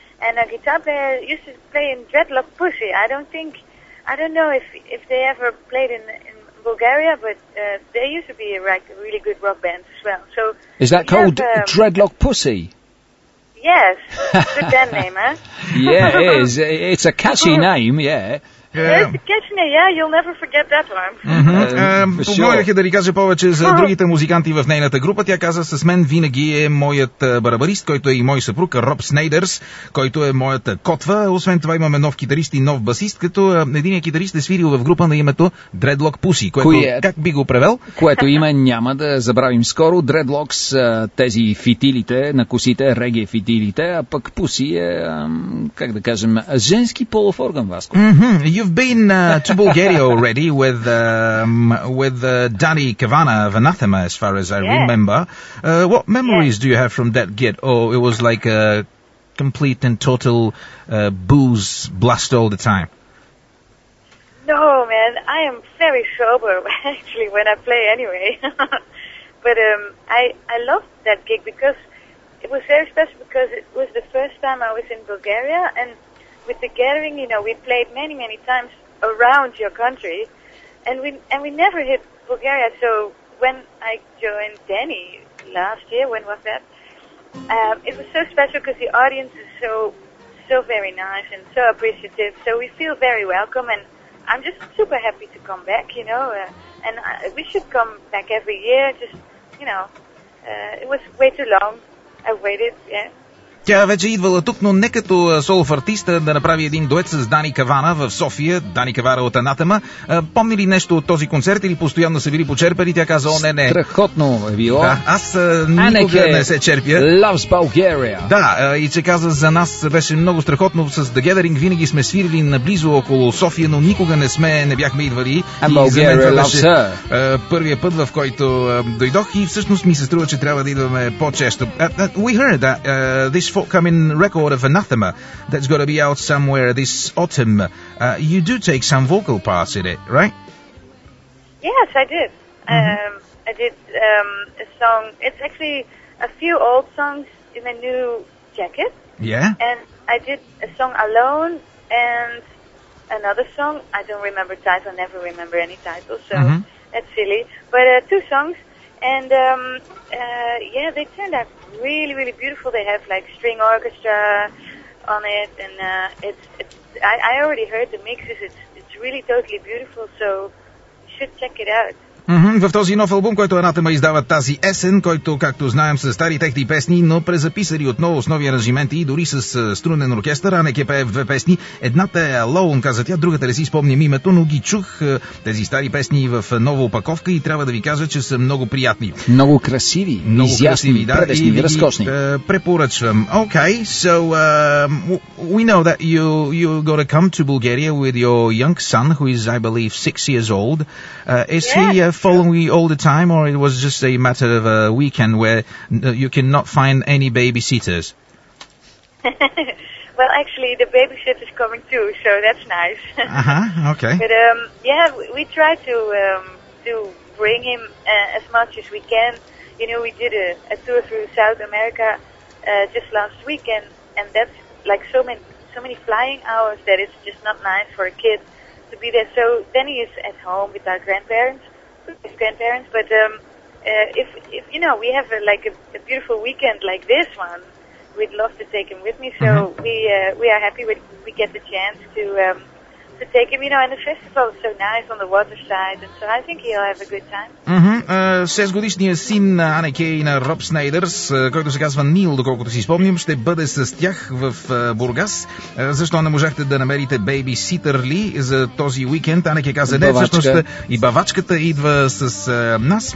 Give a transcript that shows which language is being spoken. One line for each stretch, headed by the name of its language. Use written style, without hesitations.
English: And a guitar player used to play in Dreadlock Pussy. I don't know if they ever played in Bulgaria, but they used to be a really good rock band as well. So is that called Dreadlock Pussy? Yes, good band name, huh? Yeah, it is. It's a catchy name, yeah. Yeah, you'll never forget that one. Mm-hmm. For sure.
Bulgarian: Музиканти в нейната група. Тя каза, с мен винаги е моят барабарист, който е и мой съпруг, Роб Снейдърс, който е моят котва. Освен това имаме нов китарист и нов басист, като единият китарист е свирил в група на името Dreadlock Pussy, което, как би го превел? Което име няма да забравим скоро. Dreadlocks, тези фитилите на косите, реге фитилите, а пък Pussy е, как да кажем, женски полов орган, Васко. Mm-hmm.
English: You've been to Bulgaria already with Danny Kavana of Anathema, as far as I remember. What memories do you have from that gig? Oh, it was like a complete and total booze blast all the time. No, man, I am very sober, actually, when I play anyway. But I loved that gig because it was very special because it was the first time I was in Bulgaria, and with the gathering, you know, we played many, many times around your country, and we never hit Bulgaria. So when I joined Danny last year, when was that? It was so special because the audience is so so very nice and so appreciative. So we feel very welcome, and I'm just super happy to come back, you know. We should come back every year, just, you know. It was way too long. I waited, yeah.
Bulgarian: Тя вече идвала тук, но не като солов артиста, да направи един дует с Дани Кавана в София, Дани Кавара от Анатема. Помни ли нещо от този концерт или постоянно са били почерпали? Тя каза, о, не, не. Страхотно е било. Да, аз никога не се черпя.
English: Loves Bulgaria.
Bulgarian: Да, и че каза, за нас беше много страхотно с The Gathering. Винаги сме свирили наблизо около София, но никога не бяхме идвали.
English: And Bulgaria loves her.
Bulgarian: Първия път, в който дойдох, и всъщност ми се струва, че трябва да идваме по-често.
English: We heard that this forthcoming record of Anathema that's got to be out somewhere this autumn. You do take some vocal parts in it, right? Yes, I did. Mm-hmm. I did a song. It's actually a few old songs in a new jacket. Yeah. And I did a song alone and another song. I don't remember title. Never remember any title, so mm-hmm. That's silly. But two songs. And they turned out really, really beautiful. They have like string orchestra on it, and I already heard the mixes. It's really totally beautiful, so you should check it out. Mm-hmm.
Bulgarian: В този нов албум, който Анатема издава тази есен, който, както знаем, са стари техни песни, но презаписали отново с нови аранжименти и дори с струнен оркестър, а не кепе в две песни. Едната е Alone, каза тя, другата не си спомням името, но ги чух тези стари песни в нова опаковка и трябва да ви кажа, че са много приятни. Много красиви, много изясни, красиви, да, предесни, разкошни. Препоръчвам.
English: Okay, so we know that you got to come to Bulgaria with your young son, who is, I believe, 6 years old. Following you all the time, or it was just a matter of a weekend where you cannot find any babysitters? Well, actually, the babysitter's coming too, so that's nice. Uh-huh, okay. But, we try to bring him as much as we can. You know, we did a tour through South America just last weekend, and that's like so many flying hours that it's just not nice for a kid to be there. So then he is at home with our grandparents. His grandparents, but if you know, we have a beautiful weekend like this one, we'd love to take him with me. So mm-hmm. we are happy we get the chance to take him. You know, and the festival is so nice on the waterside, and so I think he'll have a good time. Mm-hmm.
Bulgarian: 6-годишният син на Ане Кей, на Роб Снайдърс, който се казва Нил, доколкото си спомним, ще бъде с тях в Бургас. Защо не можахте да намерите бейби-ситър ли за този уикенд? Ане Кей каза, не, всъщност и бавачката идва с нас.